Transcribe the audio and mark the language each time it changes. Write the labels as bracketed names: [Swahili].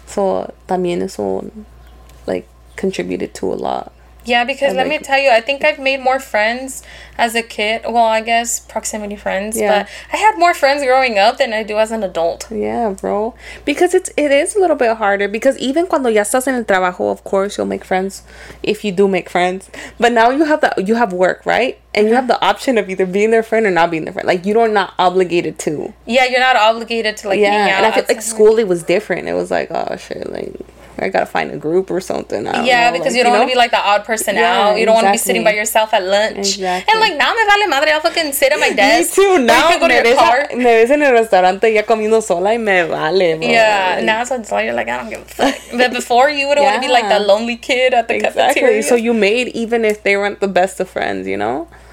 [English] So, [Spanish] también eso, [English] like, contributed to a lot. Yeah, because let me tell you, I think I've made more friends as a kid. Well, I guess proximity friends. Yeah. But I had more friends growing up than I do as an adult. Yeah, bro. Because it is a little bit harder. Because even [Spanish] cuando ya estás en el trabajo, [English] of course, you'll make friends if you do make friends. But now you have work, right? And you have the option of either being their friend or not being their friend. Like, you're not obligated to. Yeah, you're not obligated to, like, hang out. Yeah, and I feel like school, it was different. It was like, oh, shit, like, I gotta find a group or something. You don't want to be like the odd person out. Yeah, you don't want to be sitting by yourself at lunch. Exactly. And like, now [Spanish] me vale madre. [English] I'll fucking sit at my desk. Me too. Now [Spanish] me ves en el restaurante ya comiendo sola y me vale. [English] Yeah. Now it's like, you're like, I don't give a fuck. But before, you wouldn't want to be like the lonely kid at the cafeteria. Exactly. So you made, even if they weren't the best of friends, you know?